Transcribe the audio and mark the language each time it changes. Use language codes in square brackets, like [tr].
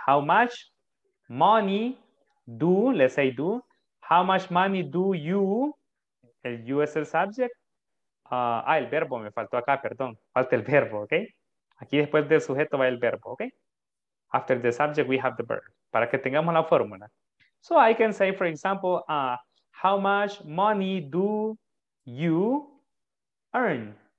[en] How much money do, let's say do, how much money do you, [es] el you es el subject. El verbo me faltó acá, perdón. Falta el verbo, ¿ok? Aquí después del sujeto va el verbo, ¿ok? [en] After the subject, we have the verb. [es] Para que tengamos la fórmula. [en] So I can say, for example, how much money do you earn?